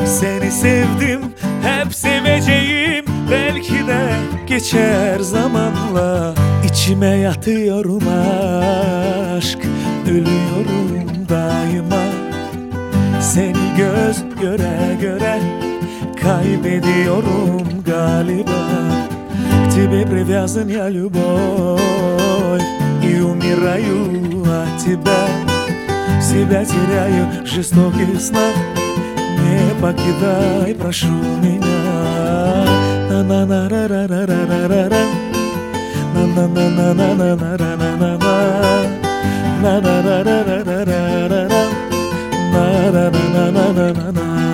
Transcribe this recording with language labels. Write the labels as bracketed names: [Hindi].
[Turkish] Seni sevdim, hep seveceğim, belki de geçer zamanla. İçime yatıyorum aşk, ölüyorum daima. Seni göz göre göre kaybediyorum galiba. [Russian] Тебе привязан я любой, и умираю от тебя. Себя теряю в жестоких снах, не покидай, прошу меня. На на на ра ра ра ра ра ра ра. На на на на на на на на на на на на на на на на на на на на на на на на на на на.